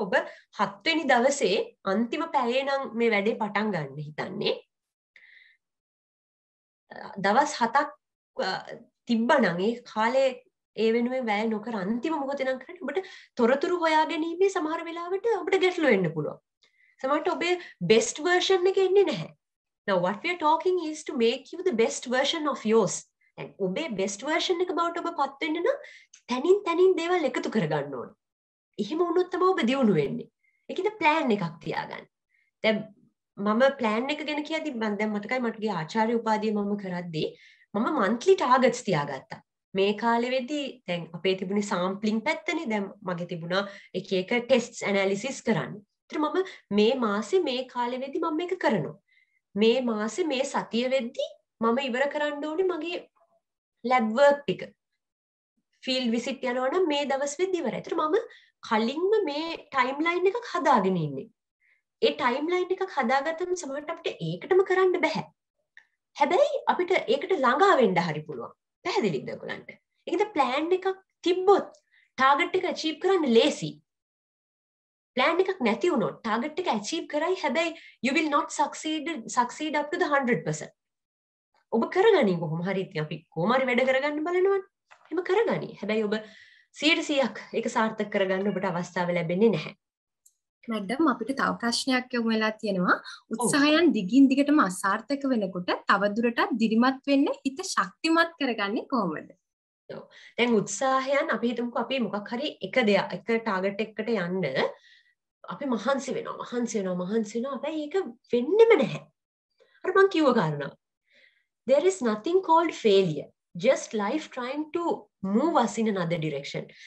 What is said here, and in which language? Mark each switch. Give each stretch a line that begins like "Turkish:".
Sinhala: ඔබ 7 වෙනි දවසේ අන්තිම පැයේ නම් මේ වැඩේ පටන් ගන්න හිතන්නේ. දවස් 7ක් තිබ්බනම් ඒ කාලේ ඒ වෙනුවෙන් වැය නොකර අන්තිම මොහොතේ නම් කරන්නේ ඔබට තොරතුරු හොයා ගැනීමේ සමහර වෙලාවට ඔබට ගැටලු වෙන්න පුළුවන්. සමහරට ඔබේ best version එක එන්නේ නැහැ.
English: Now what we are talking is to make you the best version of yours.
Sinhala: And ඔබේ best version එක බවට ඔබපත් වෙන්න නම් තනින් තනින් දේවල් එකතු කරගන්න ඕනේ. එහෙම වුණොත් තමයි ඔබ දියුණු වෙන්නේ. ඒකින්ද plan එකක් තියාගන්න. දැන් මම plan එක ගැන කියද්දි මම දැන් මතකයි මට ගියේ ආචාර්ය උපාධිය මම කරද්දී මම monthly targets තියාගත්තා. මේ කාලෙ වෙද්දි දැන් අපේ තිබුණේ sampling පැත්තනේ. දැන් මගේ තිබුණා එක එක tests analysis කරන්න. ඒත් මම මේ මාසේ මේ කාලෙ වෙද්දි මම මේක කරනවා. මේ මාසේ මේ සතිය වෙද්දි මම ඉවර කරන්න ඕනේ මගේ lab work ටික. Field visit යනවනම් මේ දවස් වෙද්දි ඉවරයි. ඒත් මම කලින්ම මේ timeline එකක් හදාගෙන ඉන්නේ. ඒ ටයිම්ලයින් එකක් හදාගත්තම සමහරවිට අපිට ඒකටම කරන්න බෑ. හැබැයි අපිට ඒකට ළඟා වෙන්න හරි පුළුවන්. පැහැදිලිද ඔයගලන්ට? ඒකද plan එකක් තිබ්බොත් target එක achieve කරන්න ලේසි. plan එකක් නැති වුණොත් target එක achieve කරයි හැබැයි you will not succeed up to the 100%. ඔබ කරගනි කොහොම හරි ඉතින් අපි කොහොම හරි වැඩ කරගන්න බලනවනේ. එහෙම කරගනි. හැබැයි ඔබ 100%ක් ඒක සාර්ථක කරගන්න ඔබට අවස්ථාව ලැබෙන්නේ නැහැ. මැඩම් අපිට තව ප්‍රශ්නයක් යොමු වෙලා තියෙනවා. උත්සාහයන් දිගින් දිගටම අසාර්ථක වෙනකොට තවදුරටත් දිරිමත් වෙන්න හිත ශක්තිමත් කරගන්නේ කොහොමද? ඔව්. දැන් උත්සාහයන් අපි හිතමුකෝ අපි මොකක් හරි එක දෙයක් එක ටාගට් එකකට යන්න අපි මහන්සි වෙනවා. හැබැයි ඒක වෙන්නෙම නැහැ. අර මං කිව්ව කාරණා.
English: there is nothing called failure. Just life trying to move us in another direction.